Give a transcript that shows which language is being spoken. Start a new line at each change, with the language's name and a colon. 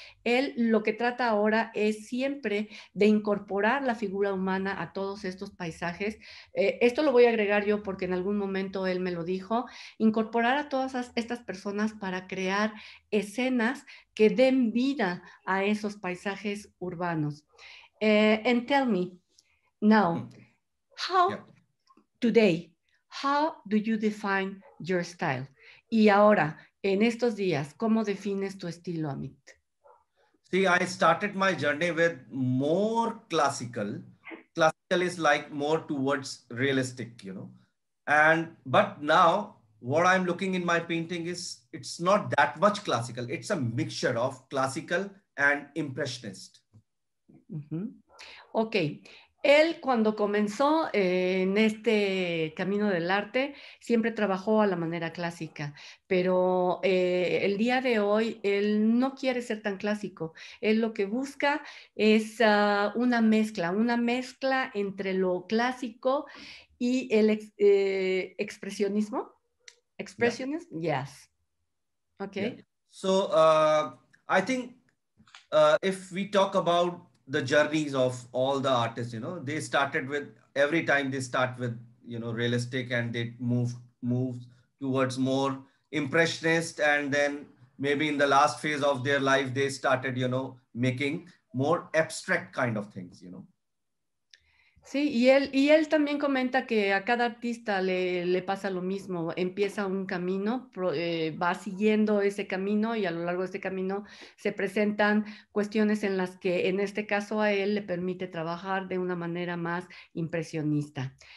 Spanish: Él lo que trata ahora es siempre de incorporar la figura humana a todos estos paisajes. Esto lo voy a agregar yo porque en algún momento él me lo dijo, incorporar a todas estas personas para crear escenas que den vida a esos paisajes urbanos.
English: And tell me, now, how do you define your style?
Spanish: Y ahora, en estos días, ¿cómo defines tu estilo, Amit?
English: See, I started my journey with more classical. Classical is like more towards realistic, you know. But now, what I'm looking in my painting is, it's not that much classical. It's a mixture of classical and impressionist. Mm-hmm. Okay.
Spanish: Él, cuando comenzó en este camino del arte, siempre trabajó a la manera clásica, pero el día de hoy él no quiere ser tan clásico. Él lo que busca es una mezcla entre lo clásico y el expresionismo.
English: Expressionist? Yeah. Yes. Okay. Yeah. So, I think if we talk about the journeys of all the artists, you know, they started with, every time they start with, you know, realistic, and they move towards more impressionist, and then maybe in the last phase of their life they started, you know, making more abstract kind of things, you know.
Spanish: Sí, y él también comenta que a cada artista le pasa lo mismo. Empieza un camino, va siguiendo ese camino, y a lo largo de ese camino se presentan cuestiones en las que, en este caso, a él le permite trabajar de una manera más impresionista.